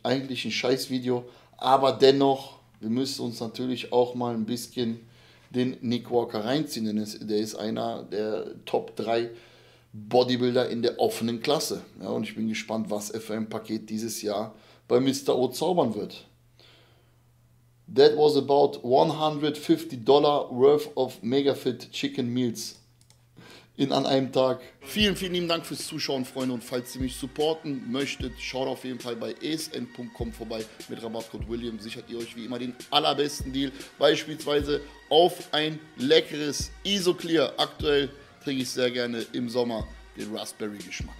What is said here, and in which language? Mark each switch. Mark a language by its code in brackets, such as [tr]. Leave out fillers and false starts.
[de] Eigentlich ein scheiß Video. Aber dennoch, wir müssen uns natürlich auch mal ein bisschen den Nick Walker reinziehen. Denn der ist einer der Top 3 Bodybuilder in der offenen Klasse. Ja, und ich bin gespannt, was er für ein Paket dieses Jahr bei Mr. O zaubern wird. [en] That was about $150 worth of Megafit Chicken Meals in [de] an einem Tag. Vielen, vielen lieben Dank fürs Zuschauen, Freunde. Und falls ihr mich supporten möchtet, schaut auf jeden Fall bei esn.com vorbei. Mit Rabattcode Wiliiam sichert ihr euch wie immer den allerbesten Deal. Beispielsweise auf ein leckeres Isoclear. Aktuell trinke ich sehr gerne im Sommer den Raspberry-Geschmack.